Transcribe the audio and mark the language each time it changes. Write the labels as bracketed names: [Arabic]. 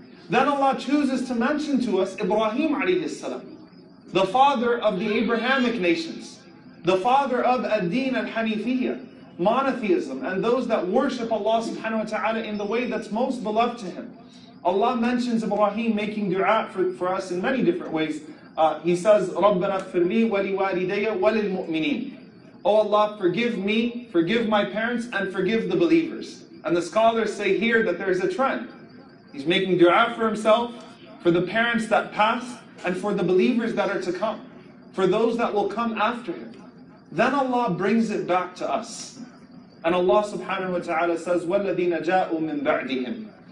[English] Then Allah chooses to mention to us Ibrahim alayhi salam, the father of the Abrahamic nations, the father of ad-din al-hanifiyya, monotheism, and those that worship Allah subhanahu wa ta'ala in the way that's most beloved to Him. Allah mentions Ibrahim making dua for us in many different ways. He says, [Arabic] رَبَّنَا اغْفِرْ لِي وَلِوَالِدَيَّ وَلِلْمُؤْمِنِينَ. [English] Oh Allah, forgive me, forgive my parents, and forgive the believers. And the scholars say here that there's a trend. He's making dua for himself, for the parents that pass, and for the believers that are to come, for those that will come after him. Then Allah brings it back to us. And Allah subhanahu wa ta'ala says, [Arabic] وَالَّذِينَ جَاءُوا مِنْ بَعْدِهِمْ.